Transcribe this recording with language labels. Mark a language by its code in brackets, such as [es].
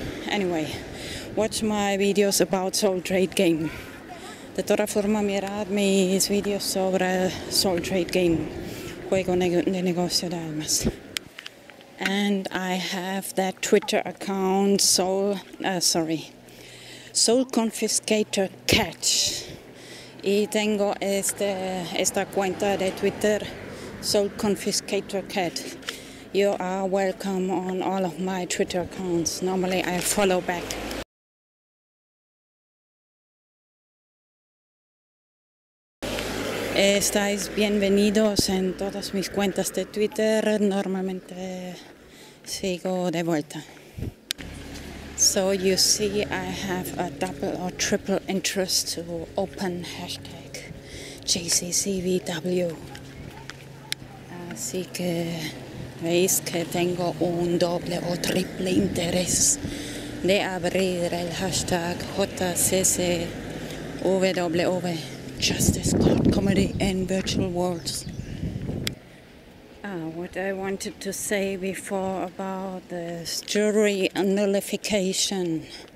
[en] Anyway, watch my videos about Soul Trade Game. [es] De toda forma, mirad mis videos sobre Soul Trade Game, juego de negocio de almas. [en] And I have that Twitter account, SoulConfiscator Catch. [es] Y tengo esta cuenta de Twitter, SoulConfiscator Cat. [en] You are welcome on all of my Twitter accounts. Normally, I follow back. [es] Estáis bienvenidos en todas mis cuentas de Twitter. Normalmente sigo de vuelta. [en] So you see, I have a double or triple interest to open hashtag JCCVW. [es] Así que veis que tengo un doble o triple interés de abrir el hashtag JCCVW. [en] Justice, God, comedy, and virtual worlds. What I wanted to say before about this jury nullification.